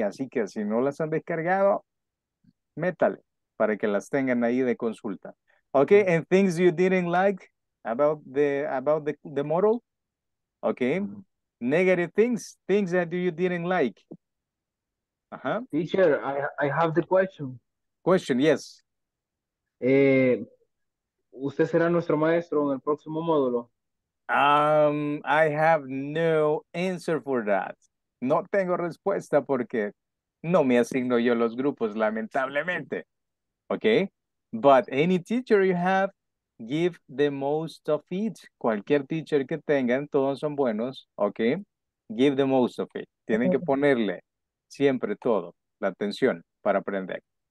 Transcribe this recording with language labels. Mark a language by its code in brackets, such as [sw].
[es] Así que si no las han descargado, métale para que las tengan ahí de consulta. [en] Okay, and things you didn't like about the model. Okay, negative things that you didn't like. Uh-huh. Teacher, I have the question. Question, yes. [es] ¿Usted será nuestro maestro en el próximo módulo? [en] I have no answer for that. [es] No tengo respuesta porque no me asigno yo los grupos, lamentablemente. [en] Okay? But any teacher you have, give the most of it. [es] Cualquier teacher que tengan, todos son buenos. Okay? [en] Give the most of it. [es] Tienen que ponerle siempre todo, la atención para aprender.